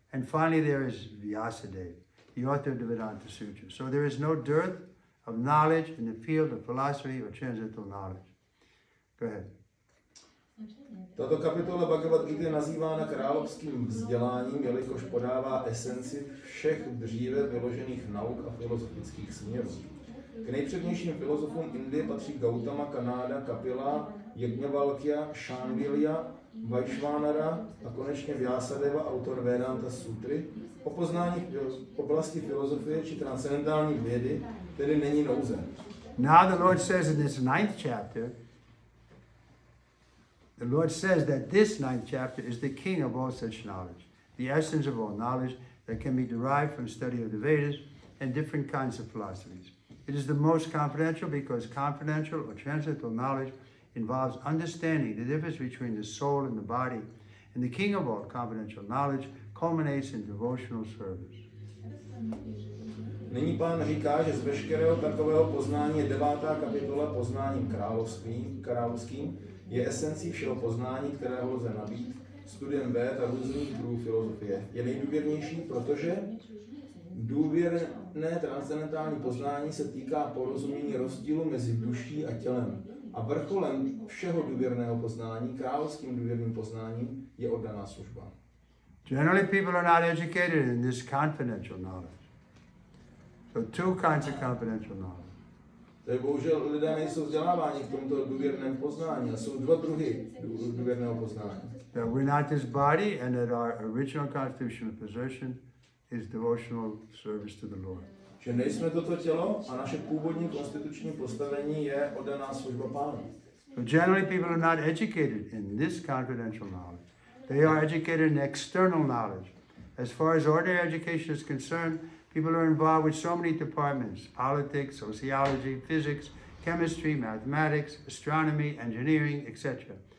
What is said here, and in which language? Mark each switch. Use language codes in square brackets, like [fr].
[en] And finally, there is Vyasadeva, the author of the Vedanta Sutra. So there is no dearth of knowledge in the field of philosophy or transcendental knowledge. Go ahead. [cs] Tato kapitola Bhagavad Gita je nazývána královským vzděláním, jelikož podává esenci všech dříve vyložených nauk a filozofických směrů. K nejpřednějším filozofům Indie patří Gautama, Kanada, Kapila, Yajnavalkya, Shandilya, Vaishvanara a konečně Vyasadeva, autor Vedanta Sutry. O poznání oblasti filozofie či transcendentální vědy tedy není nouze. [en] Now the Lord says in this ninth chapter, the Lord says that this ninth chapter is the king of all such knowledge, the essence of all knowledge that can be derived from study of the Vedas and different kinds of philosophies. It is the most confidential because confidential or transcendental knowledge involves understanding the difference between the soul and the body, and the king of all confidential knowledge culminates in devotional service. [cs] Nyní pán říká, že z veškerého takového poznání je devátá kapitola poznáním královským, je esencí všeho poznání, kterého lze nabít studiem věd a různých druhů filozofie. Je nejdůvěrnější, protože důvěrné transcendentální poznání se týká porozumění rozdílu mezi duší a tělem. A vrcholem všeho důvěrného poznání, královským důvěrným poznáním, je oddaná služba. [en] Generally people are not educated in this confidential knowledge. So two kinds of confidential knowledge. [cs] Tak bohužel lidé nejsou vzděláváni v tomto důvěrném poznání a jsou dva druhy důvěrného poznání. [en] That we're not this body and that our original constitutional possession is devotional service to the Lord. [cs] Že nejsme toto tělo a naše původní konstituční postavení je oddaná služba Pánu. [en] So generally people are not educated in this confidential knowledge. They are educated in external knowledge. As far as ordinary education is concerned, people are involved with so many departments, politics, sociology, physics, chemistry, mathematics, astronomy, engineering, etc.